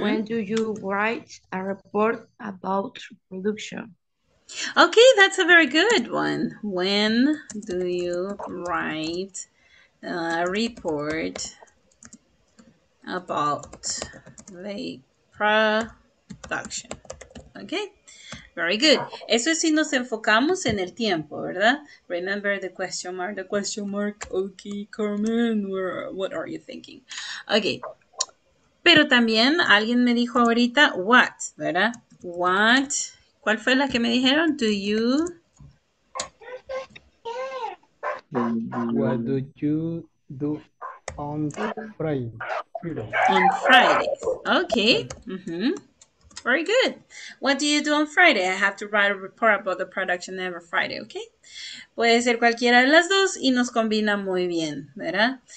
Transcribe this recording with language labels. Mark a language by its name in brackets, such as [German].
[English] When do you write a report about production? Okay, that's a very good one. When do you write a report about the production? Okay, very good. [Spanish] Eso es si nos enfocamos en el tiempo, ¿verdad? [English] Remember the question mark, the question mark. Okay, Carmen, what are you thinking? Okay. [Spanish] Pero también alguien me dijo ahorita, what, ¿verdad? What, ¿cuál fue la que me dijeron? [English] Do you? What do you do on Friday? On Fridays, okay. Mm-hmm. Very good. What do you do on Friday? I have to write a report about the production every Friday, okay? [Spanish] Puede ser cualquiera de las dos y nos combina muy bien, ¿verdad?